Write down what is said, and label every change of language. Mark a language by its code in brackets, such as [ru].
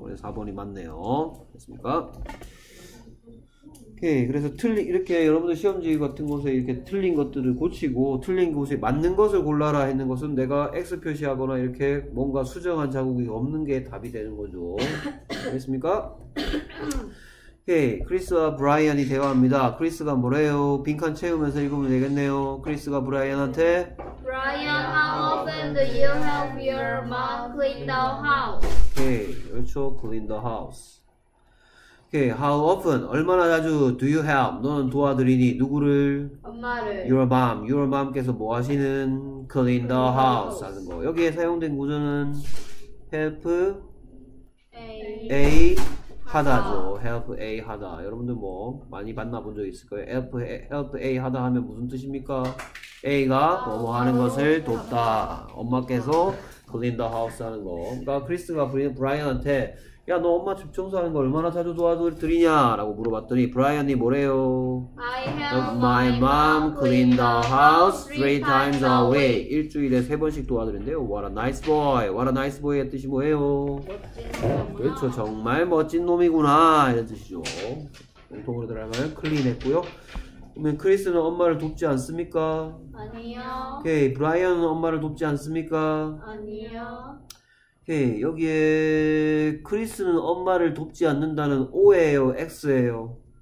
[ko] 그래서 4번이 맞네요 됐습니까? 오케이 그래서 틀린 이렇게 여러분들 시험지 같은 곳에 이렇게 틀린 것들을 고치고 틀린 곳에 맞는 것을 골라라 했는 것은 내가 X 표시하거나 이렇게 뭔가 수정한 자국이 없는 게 답이 되는 거죠 알겠습니까? 오케이 크리스와 브라이언이 대화합니다 크리스가 뭐래요? 빈칸 채우면서 읽으면 되겠네요 크리스가 브라이언한테 [en] 브라이언 how often do you help your mom clean the house? [ko] 오케이 그렇죠 [en] clean the house Okay, how often? [ko] 얼마나 자주 [en] do you help? [ko] 너는 도와드리니 누구를? 엄마를. [en] Your mom. [ko] Your mom께서 뭐 하시는? [en] Clean the house [ko] 하는 거. 여기에 사용된 구조는 help [en] A [ko] 하다죠. Help A 하다. 여러분들 뭐 많이 만나 본 적 있을 거예요. Help A 하다 하면 무슨 뜻입니까? A가 뭐 하는 것을 돕다. 엄마께서 [en] clean the house [ko] 하는 거. 그러니까 크리스가 브라이언한테 야, 너 엄마 집 청소하는 거 얼마나 자주 도와드리냐? 라고 물어봤더니 브라이언이 뭐래요? [en] I help my mom clean the house three times a week. [ko] 일주일에 세 번씩 도와드린대요. [en] What a nice boy. [ko] What a nice boy의 뜻이 뭐예요? 그렇죠. 정말 멋진 놈이구나. 이런 뜻이죠. 공통으로 들어가면 clean 했고요. 그러면 크리스는 엄마를 돕지 않습니까? 아니요. 오케이. 브라이언은 엄마를 돕지 않습니까? 아니요. 오케이 여기에 크리스는 엄마를 돕지 않는다는 O예요, X예요.